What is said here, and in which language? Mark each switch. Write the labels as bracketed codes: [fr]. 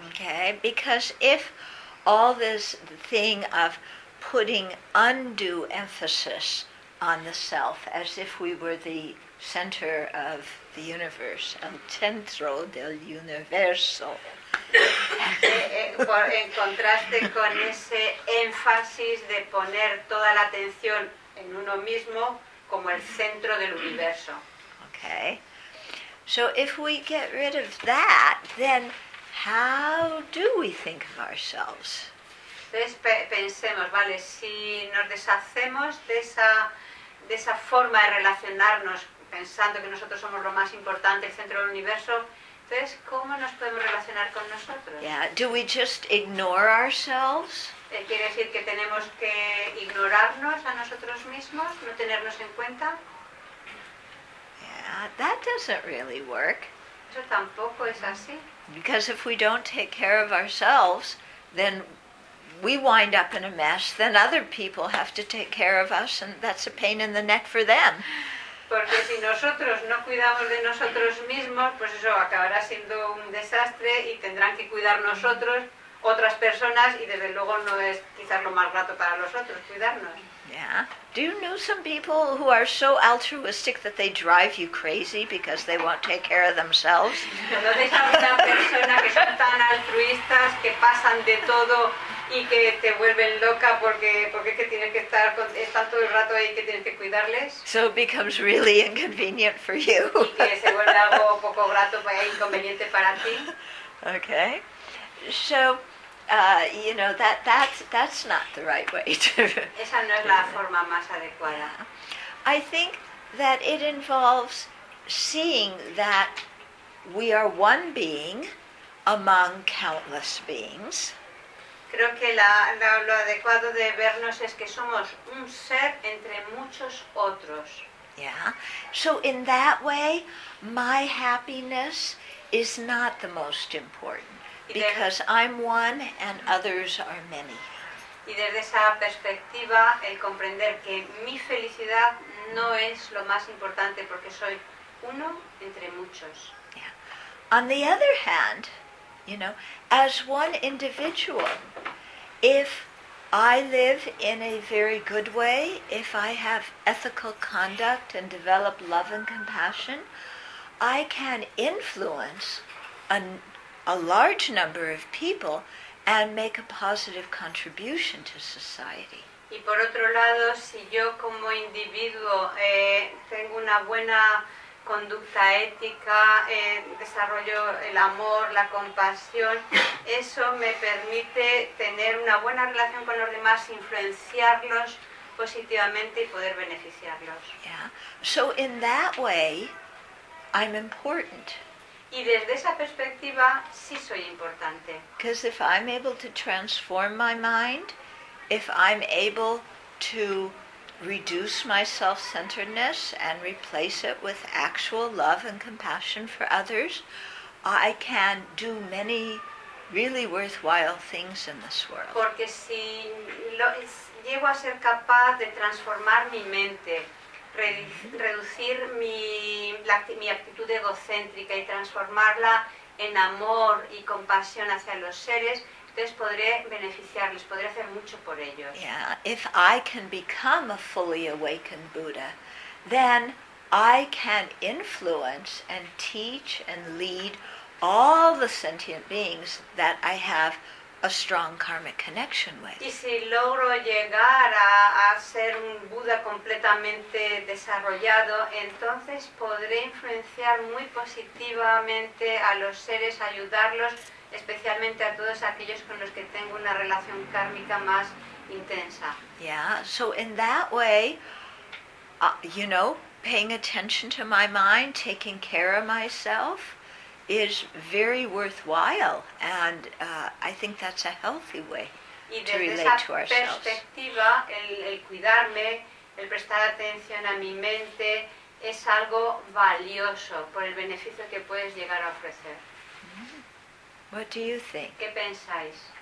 [en] Okay, because if all this thing of putting undue emphasis on the self as if we were the center of the universe, [es] el centro del universo. En contraste con ese énfasis de poner toda la atención en uno mismo como el centro del universo. [en] Okay. So if we get rid of that, then how do we think of ourselves? [es] Entonces pensemos, vale, si nos deshacemos de esa forma de relacionarnos pensando que nosotros somos lo más importante, el centro del universo, entonces, ¿cómo nos podemos relacionar con nosotros? [en] Yeah, do we just ignore ourselves? [es] ¿Quiere decir que tenemos que ignorarnos a nosotros mismos, no tenernos en cuenta? [en] Yeah, that doesn't really work. [es] Eso tampoco es así. [en] Because if we don't take care of ourselves, then we wind up in a mess, then other people have to take care of us, and that's a pain in the neck for them. [es] Porque si nosotros no cuidamos de nosotros mismos, pues eso acabará siendo un desastre y tendrán que cuidar nosotros, otras personas, y desde luego no es quizás lo más grato para nosotros cuidarnos. [en] Yeah. Do you know some people who are so altruistic that they drive you crazy because they won't take care of themselves? [es] ¿Conoces a una persona que son tan altruistas que pasan de todo y que te vuelven loca porque es que tienes que estar con, están todo el rato ahí que tienes que cuidarles? [en] So it becomes really inconvenient for you. [es] Y que se vuelve algo poco grato, vaya inconveniente para ti. [en] Okay. So you know, that's not the right way to... [es] Esa no es la forma más adecuada. [en] I think that it involves seeing that we are one being among countless beings. [es] Creo que lo adecuado de vernos es que somos un ser entre muchos otros. [en] Yeah. So in that way, my happiness is not the most important. Because I'm one and others are many. [es] Y desde esa perspectiva, el comprender que mi felicidad no es lo más importante porque soy uno entre muchos. [en] Yeah. On the other hand, you know, as one individual, if I live in a very good way, if I have ethical conduct and develop love and compassion, I can influence a large number of people and make a positive contribution to society. [es] Y por otro lado, si yo como individuo tengo una buena conducta ética, desarrollo el amor, la compasión, eso me permite tener una buena relación con los demás, influenciarlos positivamente y poder beneficiarlos. [en] Yeah. So in that way, I'm important. [es] Y desde esa perspectiva, sí soy importante. [en] Because if I'm able to transform my mind, if I'm able to reduce my self-centeredness and replace it with actual love and compassion for others, I can do many really worthwhile things in this world. [es] Porque si llego a ser capaz de transformar mi mente, reducir mi actitud egocéntrica y transformarla en amor y compasión hacia los seres, entonces podré beneficiarles, podré hacer mucho por ellos. [en] Yeah, if I can become a fully awakened Buddha, then I can influence and teach and lead all the sentient beings that I have a strong karmic connection with. [es] Y si logro llegar a ser un Buda completamente desarrollado, entonces podré influenciar muy positivamente a los seres, ayudarlos, especialmente a todos aquellos con los que tengo una relación kármica más intensa. [en] Yeah, so in that way, you know, paying attention to my mind, taking care of myself, is very worthwhile, and I think that's a healthy way to relate to ourselves. [es] Y desde esa perspectiva, el cuidarme, el prestar atención a mi mente, es algo valioso por el beneficio que puedes llegar a ofrecer. Mm-hmm. [en] What do you think? [es] ¿Qué pensáis?